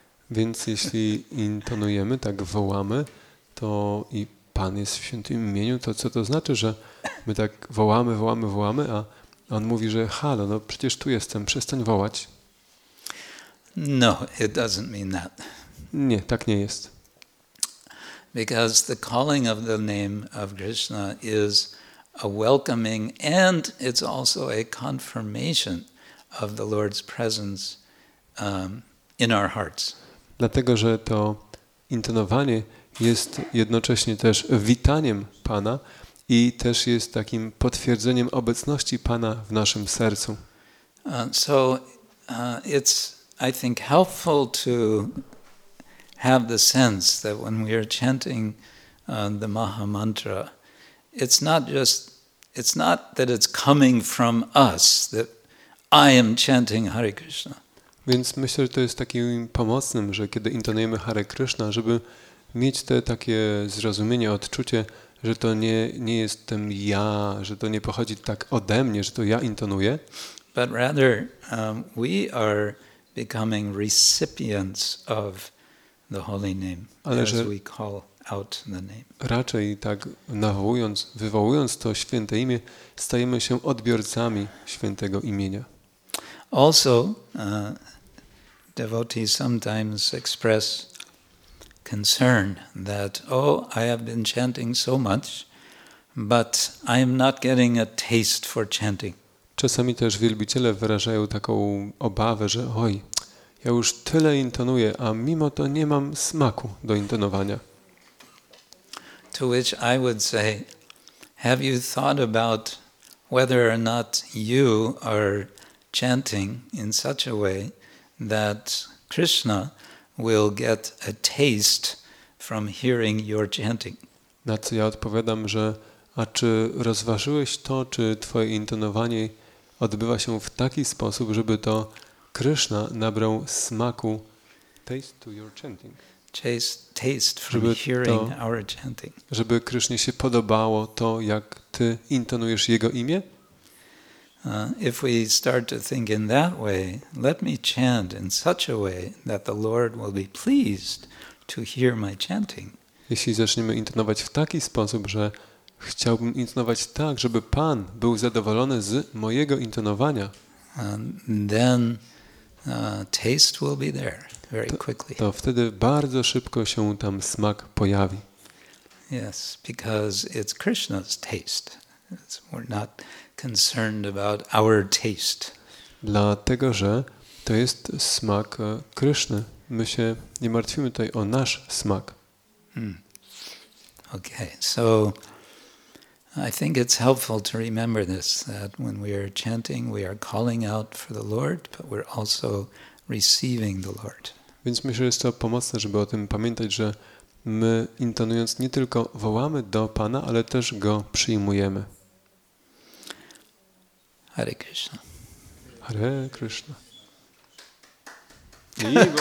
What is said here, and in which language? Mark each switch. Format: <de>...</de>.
<pl>Więc jeśli intonujemy, tak wołamy, to i Pan jest w świętym imieniu, to co to znaczy, że my tak wołamy, a on mówi, że halo, no przecież tu jestem, przestań wołać.</pl> <en>No, it doesn't mean that.</en> <pl>Nie, tak nie jest.</pl> <en>Because the calling of the name of Krishna is a welcoming and it's also a confirmation of the Lord's presence in our hearts.</en> <pl>Dlatego, że to intonowanie jest jednocześnie też witaniem Pana i też jest takim potwierdzeniem obecności Pana w naszym sercu.</pl> <en>So it's, I think, helpful to have the sense that when we are chanting the Maha Mantra, it's not that it's coming from us, that I am chanting Hare Krishna.</en> <pl>Więc myślę, że to jest takim pomocnym, że kiedy intonujemy Hare Krishna, żeby mieć te takie zrozumienie, odczucie, że to nie jestem ja, że to nie pochodzi tak ode mnie, że to ja intonuję.</pl> <en>But rather we are becoming recipients of the holy name as we call out the name.</en> <pl>Raczej tak nawołując, wywołując to święte imię, stajemy się odbiorcami świętego imienia.</pl> <en>Also, devotees sometimes express concern that, oh, I have been chanting so much, but I am not getting a taste for chanting.</en> <pl>Czasami też wielbiciele wyrażają taką obawę, że oj, ja już tyle intonuję, a mimo to nie mam smaku do intonowania.</pl> <en>To which I would say, have you thought about whether or not you are chanting in such a way that Krishna will get a taste from hearing your chanting.</en> <pl>Na co ja odpowiadam, że a czy rozważyłeś to, czy twoje intonowanie odbywa się w taki sposób, żeby to Krishna nabrał smaku</pl> <en>taste to your chanting. Taste from hearing our chanting.</en> <pl>Żeby Krishnie się podobało to, jak ty intonujesz jego imię.</pl> <en>If we start to think in that way, let me chant in such a way that the Lord will be pleased to hear my chanting.</en> <pl>Jeśli zaczniemy intonować w taki sposób, że chciałbym intonować tak, żeby Pan był zadowolony z mojego intonowania,</pl> <en>then taste will be there very quickly.</en> <pl>To wtedy bardzo szybko się tam smak pojawi.</pl> <en>Yes, because it's Krishna's taste. We're not concerned about our taste.</en> <pl>Dlatego, że to jest smak Kryszny. My się nie martwimy tutaj o nasz smak.</pl> <en>Okay, so I think it's helpful to remember this, that when we are chanting, we are calling out for the Lord, but we're also receiving the Lord.</en> <pl>Więc myślę, że jest to pomocne, żeby o tym pamiętać, że my intonując nie tylko wołamy do Pana, ale też Go przyjmujemy.</pl> <sa>Hare Krishna. Hare Krishna. Vivo.</sa>